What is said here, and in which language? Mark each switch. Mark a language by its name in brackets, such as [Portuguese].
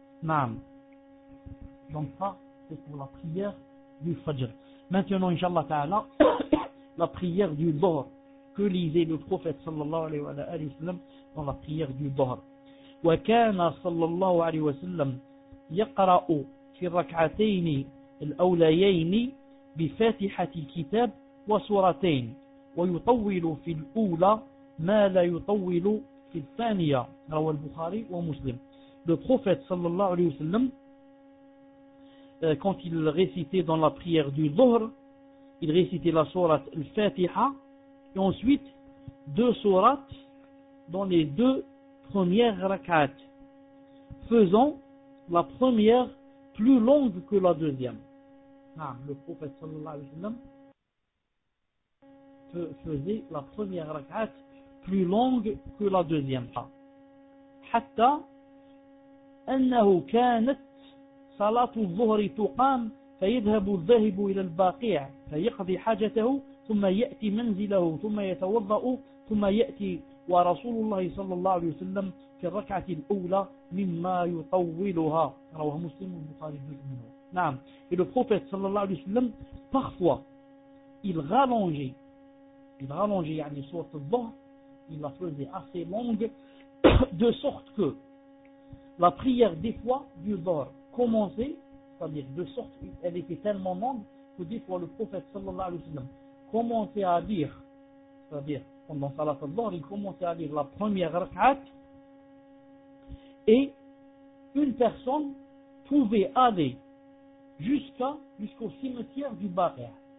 [Arabic] نعم. [French] Donc ça, c'est pour la prière du Fajr. Maintenant, Inch'Allah Ta'ala, la prière du Dhuhr. Que lisait le prophète sallallahu alayhi wa sallam dans la prière du Dhuhr? [Arabic] وَكَانَ صَلَّى اللَّهُ عَلَيْهِ وَسَلَّمُ يقرأ في الركعتين الأوليين بفاتحة الكتاب وسورتين، ويطول في الأولى ما لا يطول في الثانية، روى البخاري ومسلم. [French] Le prophète sallallahu alayhi wa sallam, quand il récitait dans la prière du dhuhr, il récitait la surat al-fatiha et ensuite deux surats dans les deux premières rak'at, faisant la première plus longue que la deuxième. Ah, le prophète sallallahu alayhi wa sallam faisait la première rak'at plus longue que la deuxième. [Arabic] Hatta أنه كانت صلاة الظهر تقام فيذهب الذاهب إلى الباقيع فيقضي حاجته ثم يأتي منزله ثم يتوضأ ثم يأتي ورسول الله صلى الله عليه وسلم في الركعة الأولى مما يطولها رواه مسلم والبخاري جزء منه. نعم. [French] Et le prophète [Arabic] صلى الله عليه وسلم [French] parfois il rallongeait [Arabic] يعني صلاة الظهر, [French] il la faisait assez longue de sorte que la prière des fois du dhuhr commençait, c'est-à-dire de sorte qu'elle était tellement longue que des fois le prophète sallallahu alayhi wa sallam commençait à lire, c'est-à-dire pendant salat al-dhuhr, il commençait à lire la première rak'at et une personne pouvait aller jusqu'au cimetière du Baqi'.